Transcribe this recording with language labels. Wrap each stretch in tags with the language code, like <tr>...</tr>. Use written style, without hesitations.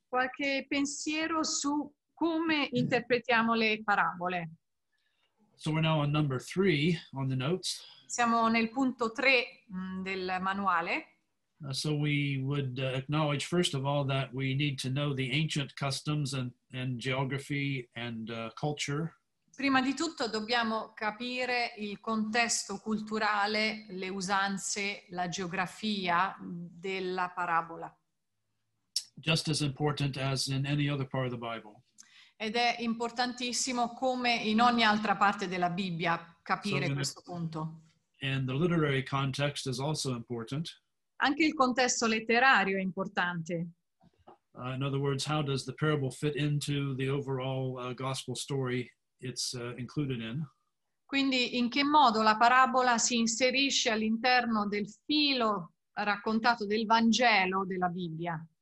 <it>Qualche pensiero su come interpretiamo le parabole.</it> <en>So we're now on number 3 on the notes.</en> <it>Siamo nel punto 3 del manuale.</it> <en>So we would acknowledge first of all that we need to know the ancient customs and geography and culture.</en> <it>Prima di tutto dobbiamo capire il contesto culturale, le usanze, la geografia della parabola.</it> <en>Just as important as in any other part of the Bible.</en> <it>Ed è importantissimo come in ogni altra parte della Bibbia capire questo punto.</it> <en>And the literary context is also important.</en> <it>Anche il contesto letterario è importante.</it> <en>In other words, how does the parable fit into the overall gospel story? It's included in.</en> <it>Quindi in che modo la parabola si inserisce all'interno del filo raccontato del Vangelo della Bibbia?</it>